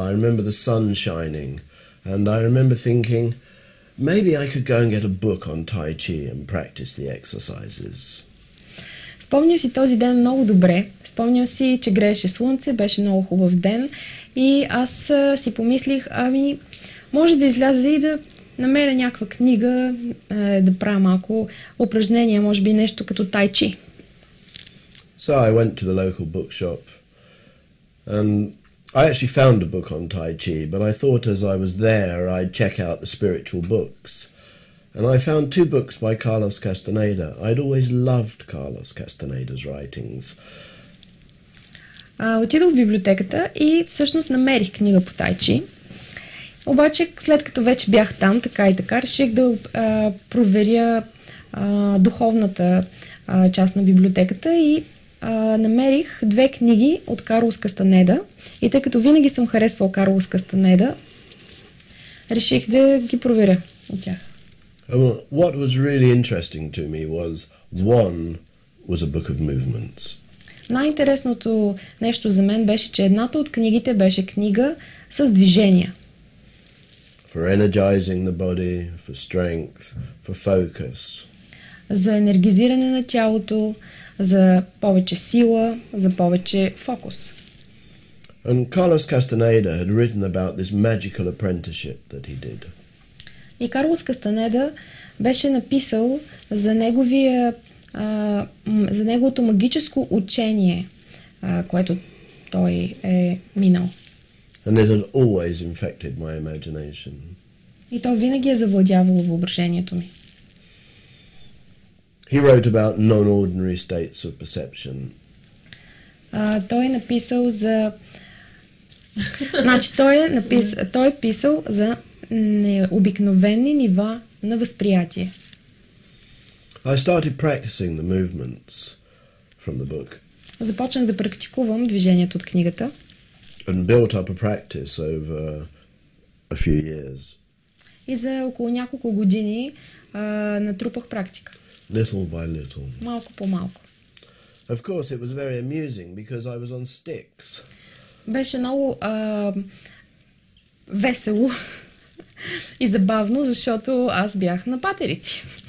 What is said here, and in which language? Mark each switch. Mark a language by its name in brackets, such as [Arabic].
[English] I remember the sun shining and I remember thinking maybe I could go and get a book on Tai Chi and practice the exercises. [Bulgarian] Спомням си този ден много добре. Спомням си, че грееше слънце, беше много хубав ден и аз си помислих, ами може да изляза и да намеря някаква книга, да правя малко упражнения, може би нещо като Tai Chi. [English] So I went to the local bookshop and I actually found a book on Tai Chi, but I thought as I was there I'd check out the spiritual books. And I found two books by Carlos Castaneda. I'd always loved Carlos Castaneda's writings. [Bulgarian] Отидох в библиотеката и всъщност намерих книга по Tai Chi. Обаче, след като вече бях там, така и така, реших да проверя духовната част на библиотеката и намерих две книги от Карлос Кастанеда. И тъй като винаги съм харесвал Карлос Кастанеда, реших да ги проверя от тях. [English] What was really interesting to me was one was a book of movements. [Bulgarian] Най-интересното нещо за мен беше, че едната от книгите беше книга с движения. [English] For energizing the body, for strength, for focus. [Bulgarian] За енергизиране на тялото, за повече сила, за повече фокус. [English] And Carlos Castaneda had written about this magical apprenticeship that he did. [Bulgarian] И Карлос Кастанеда беше написал за неговия, за неговото магическо учение, което той е минал. [English] And it had always infected my imagination. [Bulgarian] И то винаги е завладявало въображението ми. [English] He wrote about non-ordinary states of perception. [Bulgarian] Той е написал за... значи той е написал, той е писал за необикновени нива на възприятие. [English] I started practicing the movements from the book. [Bulgarian] Започнах да практикувам движението от книгата. [English] And built up a practice over a few years. [Bulgarian] И за около няколко години натрупах практика. [English] Little by little. [Bulgarian] Малко по малко. [English] Of course it was very amusing because I was on sticks. [Bulgarian] Беше много весело и забавно, защото аз бях на патерици.